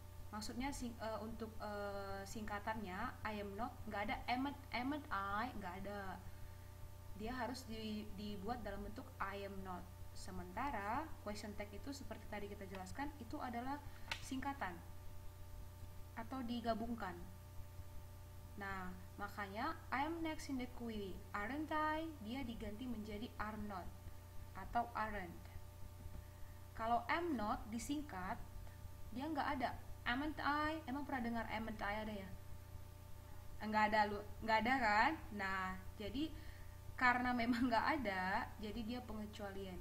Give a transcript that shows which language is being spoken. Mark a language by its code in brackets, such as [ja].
[id] Maksudnya untuk singkatannya I am not, nggak ada am I, nggak ada. Dia harus dibuat dalam bentuk I am not. Sementara question tag itu seperti tadi kita jelaskan, itu adalah singkatan atau digabungkan. Nah, makanya [en] I am next in the query, aren't I? [id] Dia diganti menjadi are not atau aren't. Kalau am not disingkat, dia nggak ada. Amn't I? Emang pernah dengar amn't I ada ya? Enggak ada lu, enggak ada kan? Nah, jadi karena memang enggak ada, jadi dia pengecualian.